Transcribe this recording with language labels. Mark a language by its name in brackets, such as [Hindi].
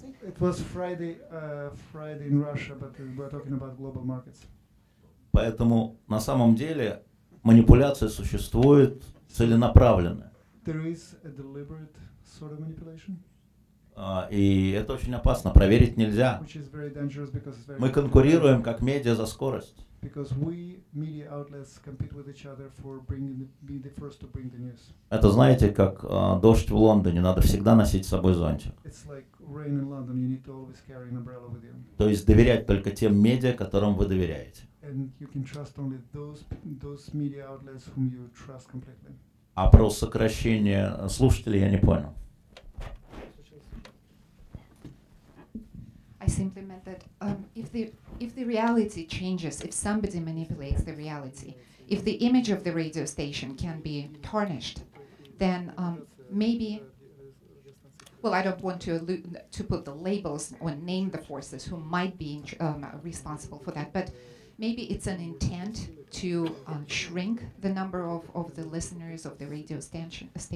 [English] It was Friday, Friday in Russia, but we're talking about global markets. [Russian] Поэтому на самом деле манипуляция существует целенаправленно. [English] There is a deliberate sort of manipulation. [Russian] И это очень опасно. Проверить нельзя. [English] Which is very dangerous because it's very. [Russian] Мы конкурируем как медиа за скорость. [English] Because we media outlets compete with each other for bringing the, being the first to bring the news. [Russian] Это знаете, как дождь в Лондоне, надо всегда носить с собой зонтик. [English] It's like rain in London, you need to always carry an umbrella with you. [Russian] То есть доверять только тем медиа, которым вы доверяете. [English] And you can trust only those media outlets whom you trust completely. [Russian] А про сокращение слушателей я не понял. [English] I simply meant that if the reality changes, if somebody manipulates the reality, if the image of the radio station can be tarnished, then maybe. Well, I don't want to put the labels or name the forces who might be responsible for that, but maybe it's an intent to shrink the number of the listeners of the radio station.